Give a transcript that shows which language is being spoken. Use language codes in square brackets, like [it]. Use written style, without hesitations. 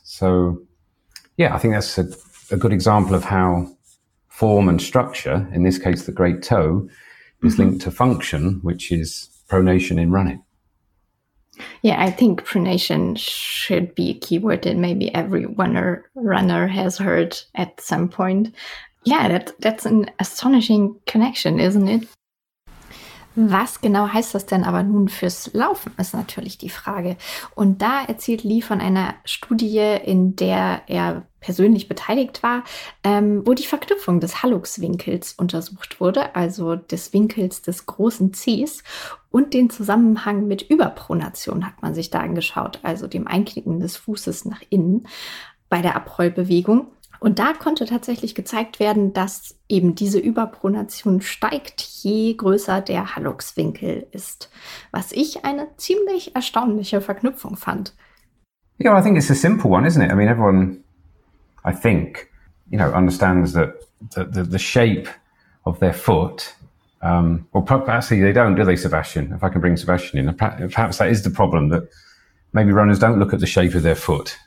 [en] So, yeah, I think that's a good example of how form and structure, in this case, the great toe, is linked to function, which is pronation in running. Yeah, I think pronation should be a keyword that maybe every runner has heard at some point. Yeah, that's an astonishing connection, isn't it? [de] Was genau heißt das denn aber nun fürs Laufen, ist natürlich die Frage. Und da erzählt Lee von einer Studie, in der er persönlich beteiligt war, wo die Verknüpfung des Hallux-Winkels untersucht wurde, also des Winkels des großen Zehs, und den Zusammenhang mit Überpronation hat man sich da angeschaut, also dem Einknicken des Fußes nach innen bei der Abrollbewegung. Und da konnte tatsächlich gezeigt werden, dass eben diese Überpronation steigt, je größer der Halluxwinkel ist. Was ich eine ziemlich erstaunliche Verknüpfung fand. [en] Yeah, I think it's a simple one, isn't it? I mean, everyone, I think, you know, understands that the shape of their foot, actually they don't, do they, Sebastian? If I can bring Sebastian in, perhaps that is the problem, that maybe runners don't look at the shape of their foot.